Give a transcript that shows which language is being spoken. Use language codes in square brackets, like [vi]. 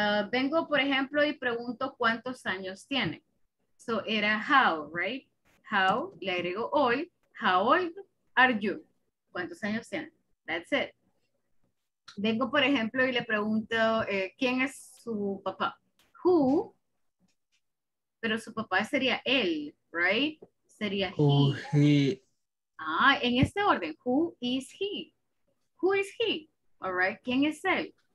[es] Vengo, por ejemplo, y pregunto cuántos años tiene. [en] So, era how, right? How, [es] le agrego [en] old. How old are you? [es] ¿Cuántos años tiene? [en] That's it. [es] Vengo, por ejemplo, y le pregunto, ¿quién es su papá? Who? Pero su papá sería él, right? Sería [en] who he. Ah, [es] en este orden. [en] Who is he? Who is he? All right. [es] ¿Quién es él?